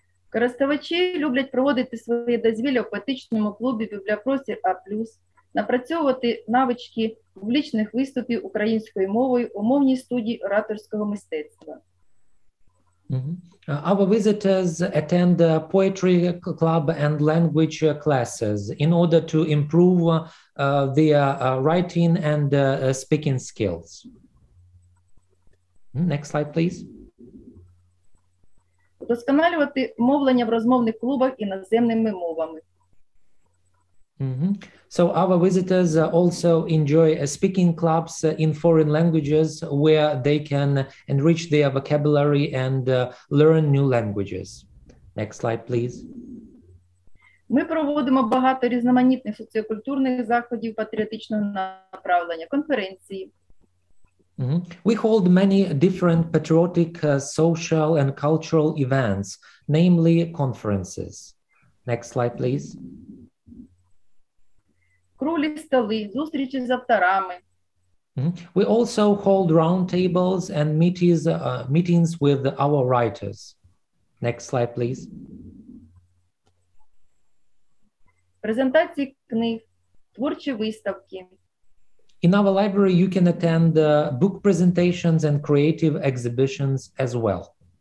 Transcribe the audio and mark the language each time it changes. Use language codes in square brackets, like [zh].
[uk] Користувачі люблять проводити свої дозвілля у поетичному клубі «Бібліопростір А+», напрацьовувати навички публічних виступів українською мовою у мовній студії ораторського мистецтва. [en] Our visitors attend poetry club and language classes in order to improve their writing and speaking skills. Next slide, please. [uk] Досконалювати мовлення в розмовних клубах іноземними мовами. Mm-hmm. [en] So our visitors also enjoy speaking clubs in foreign languages where they can enrich their vocabulary and learn new languages. Next slide, please. [uk] Ми проводимо багато різноманітних соціокультурних заходів патріотичного направлення, конференції. [en] Mm-hmm. We hold many different patriotic, social and cultural events, namely conferences. Next slide, please. [uk] Круглі столи, зустрічі з авторами. [en] We also hold roundtables and meetings with our writers. Next slide, please. [uk] Презентації книг, творчі виставки. [en] In our library, you can attend book presentations and creative exhibitions as well.